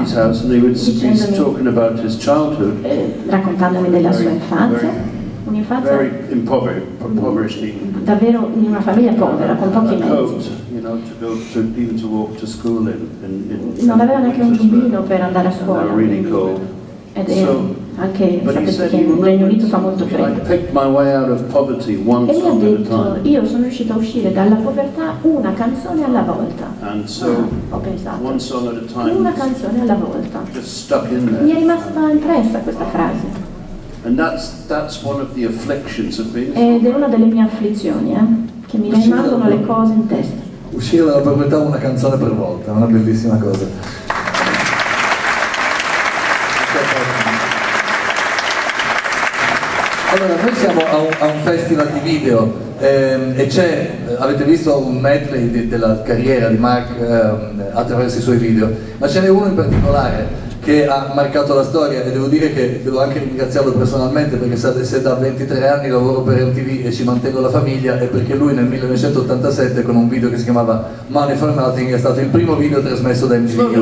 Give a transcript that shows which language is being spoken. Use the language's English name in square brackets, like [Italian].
[English] his house, and he would be talking about his childhood, [Italian] raccontandomi della sua infanzia. Un'infanzia [English] very impoverished, [Italian] davvero in una famiglia povera, con pochi mezzi. Non aveva neanche un giubbino per andare a scuola. Ed era anche, sapete che il Regno Unito fa molto freddo. E mi ha detto, io sono riuscito a uscire dalla povertà una canzone alla volta. Una canzone alla volta. Mi è rimasta impressa questa frase. [English] And that's one of the afflictions of being. [Italian] Ed è una delle mie afflizioni, che mi rimangono le cose in testa. Uscire dalla proprietà una canzone per volta, una bellissima cosa. Allora, noi siamo a un festival di video, e c'è, avete visto un medley della carriera di Mark attraverso i suoi video, ma ce n'è uno in particolare che ha marcato la storia, e devo dire che devo anche ringraziarlo personalmente, perché sa che se da 23 anni lavoro per MTV e ci mantengo la famiglia, è perché lui nel 1987, con un video che si chiamava Money for Nothing, è stato il primo video trasmesso da MTV.